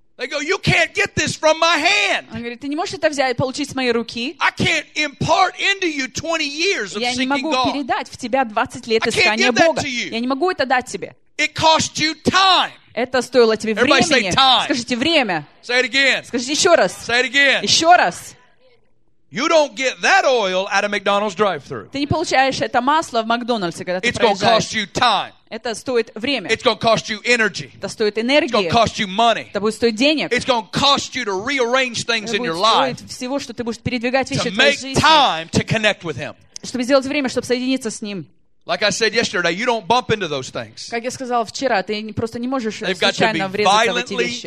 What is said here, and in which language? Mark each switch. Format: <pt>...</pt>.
<en>They go, you can't get this from my hand.</en> <ru>Он говорит, ты не можешь это взять, получить с моей руки.</ru> <en>I can't impart into you 20 years of seeking God.</en> <ru>Я не могу передать в тебя 20 лет искания Бога. Я не могу это дать тебе.</ru> <en>It cost you time.</en> <ru>Это стоило тебе</ru> <en>Everybody</en> <ru>времени.</ru> <en>Say time.</en> <ru>Скажите время.</ru> <en>Say it again.</en> <ru>Скажите еще раз.</ru> <en>Say it again.</en> <ru>Еще раз.</ru> <en>You don't get that oil at a McDonald's drive-thru.</en> <ru>Ты не получаешь это масло в Макдональдсе, когда ты проезжаешь.</ru> <en>It's gonna cost you time.</en> <ru>Это стоит время.</ru> <en>It's gonna cost you energy.</en> <ru>Это стоит энергии.</ru> <en>It's gonna cost you money.</en> <ru>Это будет стоить денег.</ru> <en>It's gonna cost you to rearrange things in your life.</en> <ru>Это будет стоить всего, что ты будешь передвигать вещи в твоей жизни.</ru> <en>To make time to connect with him.</en> <ru>Чтобы сделать время, чтобы соединиться с ним.</ru> <en>Like I said yesterday, you don't bump into those things.</en> <ru>Как я сказал вчера, ты просто не можешь случайно врезаться в эти вещи.</ru>